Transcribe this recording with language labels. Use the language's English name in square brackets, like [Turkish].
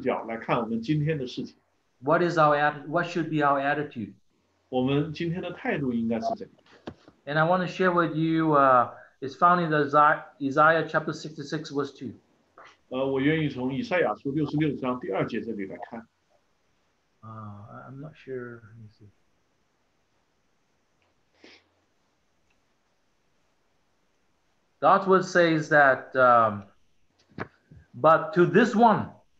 [Chinese] 如果我们用永生的这个视角来看我们今天的事情, [English] what should be our attitude? [Chinese] 我们今天的态度应该是怎样? [English] And I want to share with you, it's found in Isaiah chapter 66, verse 2. [Chinese] 我愿意从以赛亚书66章第二节这里来看。 [English] I'm not sure. Let me see. God's word says that But to this one,